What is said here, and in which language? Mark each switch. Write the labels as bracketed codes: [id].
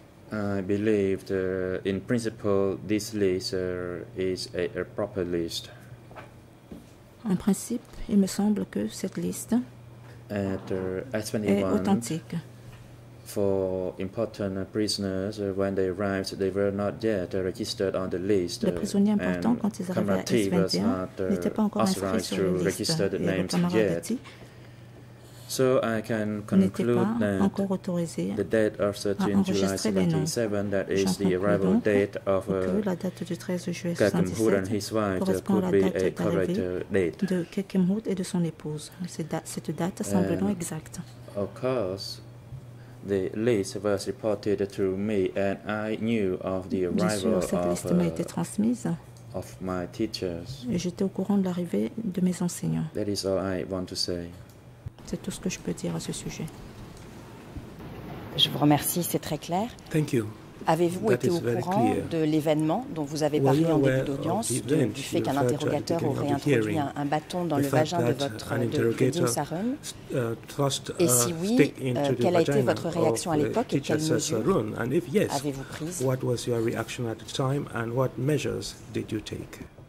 [en] I believe that in principle this list is a proper list. [fr] En principe, il me semble que cette liste est authentique. [en] For important prisoners, when they arrived, they were not yet registered on the list. [fr] Les prisonniers importants, quand ils arrivaient à S21, n'étaient pas encore inscrits sur la liste et les Camarati. [en] So I can conclude that [fr] encore autorisé [en] the date of 13 July 77, that is the arrival date of Kekemhut and his wife, could be a correct date. [fr] De Kekemhut et de son épouse. Cette date semble non exacte. [en] Of course, the list was reported to me, and I knew of the arrival of my teachers. [fr] Et j'étais au courant de l'arrivée de mes enseignants. [en] That is all I want to say. [fr] C'est tout ce que je peux dire à ce sujet. Je vous remercie, c'est très clair. [en] Thank you. [fr] Avez-vous été au courant de l'événement dont vous avez parlé en début d'audience, du fait qu'un interrogateur aurait introduit un bâton dans le vagin de votre Sarun? Et si oui, quelle a été votre réaction à l'époque et quelles mesures avez-vous prises? [en] What was your reaction at the time and what measures did you take?